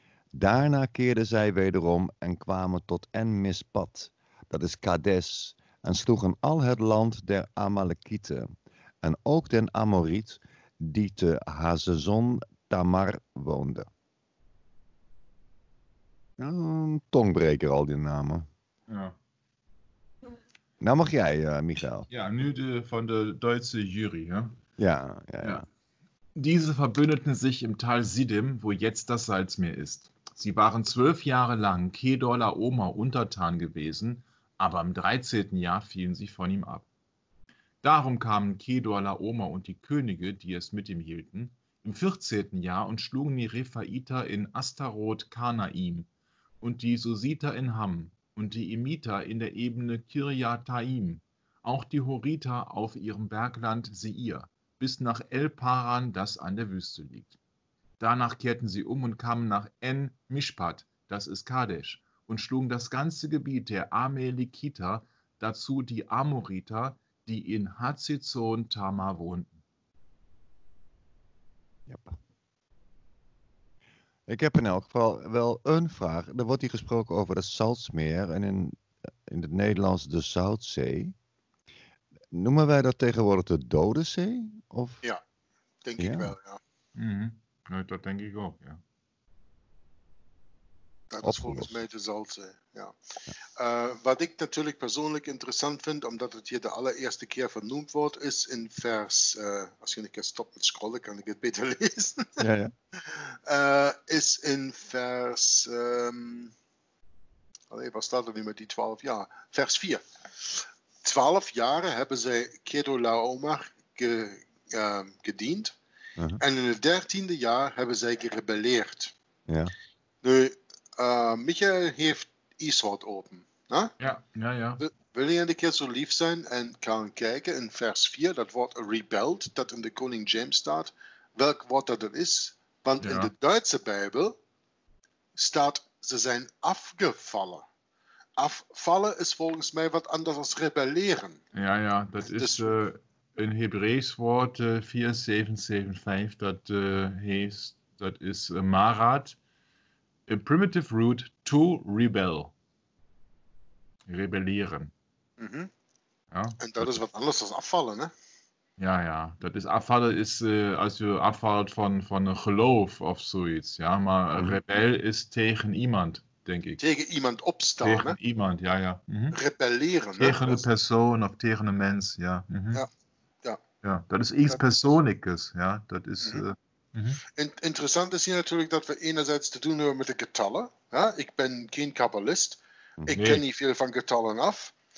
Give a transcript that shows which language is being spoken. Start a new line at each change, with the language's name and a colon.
Dutch: Daarna keerden zij wederom en kwamen tot En-Mispat, dat is Kades, en sloegen al het land der Amalekieten, en ook den Amoriet, die te Hazazon Tamar woonde. Tongbreker al die namen. Ja. Nou mag jij, Michael. Ja, nu de, van de Duitse jury. Hè? Ja.
German: Diese verbündeten sich im Tal Siddim, wo jetzt das Salzmeer ist. Sie waren 12 Jahre lang Chedorlaomer untertan gewesen, aber im 13. Jahr fielen sie von ihm ab. Darum kamen Chedorlaomer und die Könige, die es mit ihm hielten, im 14. Jahr und schlugen die Rephaiter in Ashtaroth-Karnaim und die Susiter in Ham und die Emiter in der Ebene Kirjataim, auch die Horiter auf ihrem Bergland Seir, bis nach El-Paran, das an der Wüste liegt. Danach kehrten sie um und kamen nach En-Mishpat, das ist Kadesh, und schlugen das ganze Gebiet der Amalekiter, dazu die Amoriter, die in Hazezon-Tama wohnten.
Dutch: Ja.
German: Ich habe
Dutch: in elk geval wel een vraag.
German: Da wird hier
Dutch: gesproken over
German: das Salzmeer und
Dutch: in het Nederlands de Zoutzee. Noemen wij dat tegenwoordig de Dode Zee? Of? Ja, denk ik wel, ja. Mm-hmm. Nee, dat denk ik ook, ja. Dat is volgens mij de Zoutzee, ja. Ja. Wat ik natuurlijk persoonlijk interessant vind, omdat het hier de allereerste keer vernoemd wordt, is in vers, als je een keer stopt met scrollen, kan ik het beter lezen. Ja, ja. Is in vers, wat staat er nu met die 12 jaar? Vers 4.
German: 12 Jahre haben sie Kedorlaomer gedient und im 13. Jahr haben sie gerebelliert.
Dutch: Ja. Nu, Michael heeft Isort open. Na? Ja, ja, ja.
German: Will
Dutch: je een keer
German: so lief sein und kann
Dutch: kijken
German: in Vers 4, das Wort rebelled, das in der Koning James
Dutch: staat, welk
German: Wort das ist?
Dutch: Want ja.
German: In der Deutsche Bibel
Dutch: staat, ze zijn afgefallen. Afvallen
German: ist
Dutch: volgens mij wat anders als rebellieren.
German: Ja, ja, das ist ein Hebräisches Wort, 4775, das ist Marat, a primitive root to rebel. Rebellieren. Mhm. Ja, und das ist was anderes als abfallen, ne? Ja, ja, das ist abfallen, ist also abfallen von
Dutch: Geloof of
German: sowas, ja, mal Rebell ist gegen
Dutch: iemand.
German: Denke ich.
Dutch: Tegen iemand opstaan. Tegen, ne? Iemand, ja, ja. Mhm. Rebelleren. Tegen, ne? Een persoon of tegen een mens, ja. Mhm. Ja. Ja. Ja, dat is iets persoonlijks, ja. Dat is, Interessant is hier natuurlijk dat we enerzijds te doen hebben met de getallen. Ja? Ik ben geen kabbalist. Ik ken niet veel van getallen af.